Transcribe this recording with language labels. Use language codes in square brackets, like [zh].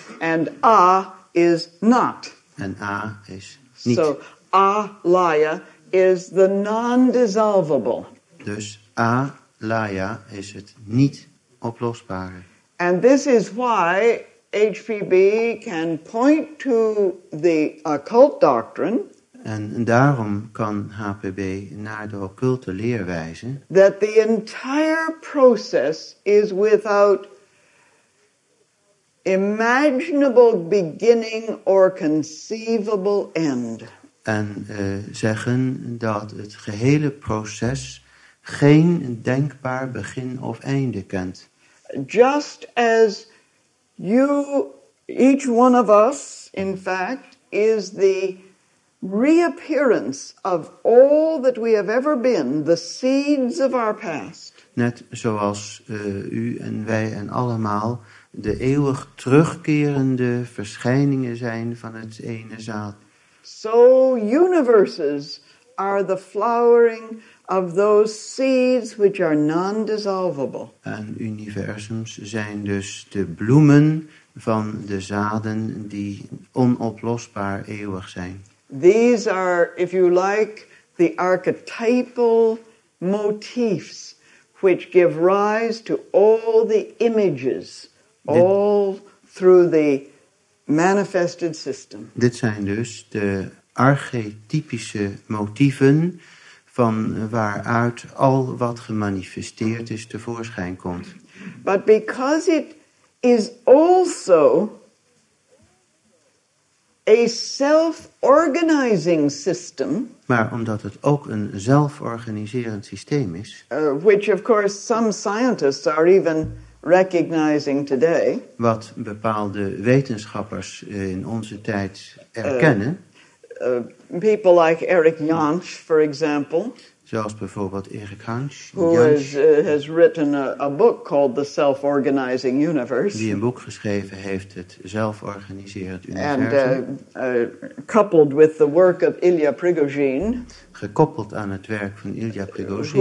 [en] And a is not. [nl] En a is niet. [en] So alaya is the non-dissolvable. [nl] Dus alaya is het niet oplosbare. [en] And this is why HPB can point to the occult doctrine. [nl] En daarom kan HPB naar de occulte leer wijzen. [en] That the entire process is without imaginable beginning or conceivable end. [nl] En zeggen dat het gehele proces geen denkbaar begin of einde kent. [en] Just as you, each one of us, in fact, is the reappearance of all that we have ever been, the seeds of our past. [nl] Net zoals u en wij en allemaal de eeuwig terugkerende verschijningen zijn van het ene zaad. [en] So universes are the flowering of those seeds which are non-dissolvable. [nl] En universums zijn dus de bloemen van de zaden die onoplosbaar eeuwig zijn. [en] These are, if you like, the archetypal motifs which give rise to all the images all through the manifested system. [nl] Dit zijn dus de archetypische motieven van waaruit al wat gemanifesteerd is tevoorschijn komt. [en] But because it is also a self-organizing system. [nl] Maar omdat het ook een zelforganiserend systeem is. [en] Which of course some scientists are even recognizing today. [nl] Wat bepaalde wetenschappers in onze tijd erkennen. [en] People like Eric Jansch, for example. [nl] Zoals bijvoorbeeld Eric Jansch. [en] Who has written a book called The Self-Organizing Universe. [nl] Die een boek geschreven heeft, Het Zelforganiserend Universum. [en] And coupled with the work of Ilya Prigozhin. [nl] Gekoppeld aan het werk van Ilya Prigozhin.